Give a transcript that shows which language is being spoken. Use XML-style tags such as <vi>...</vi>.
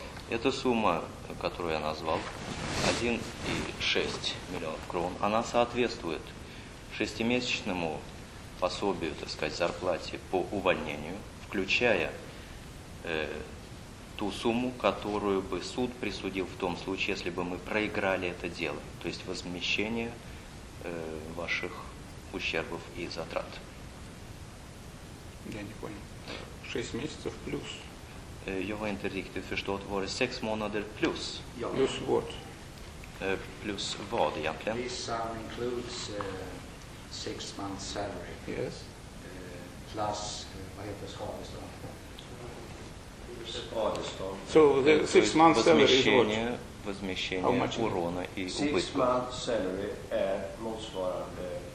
<ru>Эта сумма, которую я назвал, 1,6 миллионов крон, она соответствует шестимесячному пособию, так сказать, зарплате по увольнению, включая ту сумму, которую бы суд присудил в том случае, если бы мы проиграли это дело, то есть возмещение ваших ущербов и затрат. Я не понял. 6 месяцев плюс...</ru> <sv>Jag har inte riktigt förstått vad det är, 6 månader plus. Ja. Plus vad? Plus vad egentligen?</sv> <en>This sum includes 6 months salary. Yes.</en> <sv>Plus, vad heter skadestånd? Skadestånd.</sv> <en>So, the 6 months salary is what?</en> <ru>Возмещение урона и убытка.</ru> <en>6 months salary</en> <sv>är motsvarande</sv>